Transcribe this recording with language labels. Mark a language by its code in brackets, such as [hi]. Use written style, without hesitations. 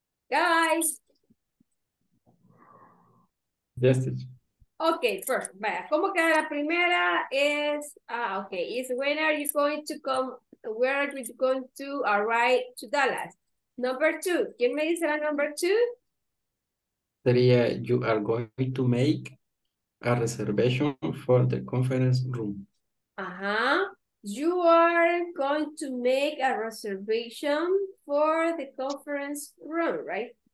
[en] Guys. Yes, teacher. Okay, first, [es] vaya. ¿Cómo queda la primera? [en] Es, okay, is when are you going to come, where are you going to arrive to Dallas? Number two, [es] ¿quién me dice la [en] number two? Sería, you are going to make a reservation for the conference room. Ajá. You are going to make a reservation for the conference room, right?